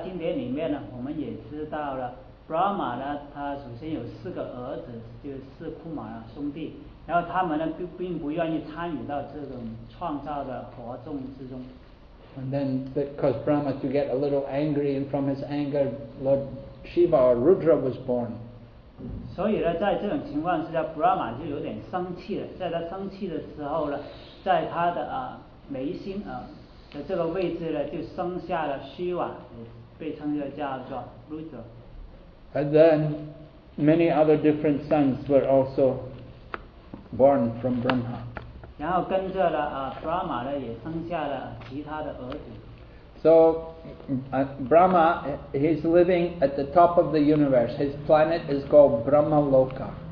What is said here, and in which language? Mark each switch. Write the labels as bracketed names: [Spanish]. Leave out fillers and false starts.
[Chinese] 而在《伟达经典》里面呢，我们也知道了 Brahma 呢，他首先有四个儿子，就是四库玛拉兄弟，然后他们呢并不愿意参与到这种创造的活动之中。 [English] And then that caused Brahma to get a little angry, and from his anger, Lord Shiva or Rudra was born. [Chinese] 所以呢，在这种情况之下， Brahma 就有点生气了。在他生气的时候呢，在他的眉心的这个位置呢，就生下了 Shiva， 被称作叫做 Rudra. [English] And then many other different sons were also born from Brahma. [Chinese] 然后跟着了Brahma呢，也生下了其他的儿子。 [English] So, Brahma, he's living at the top of the universe. His planet is called Brahmaloka.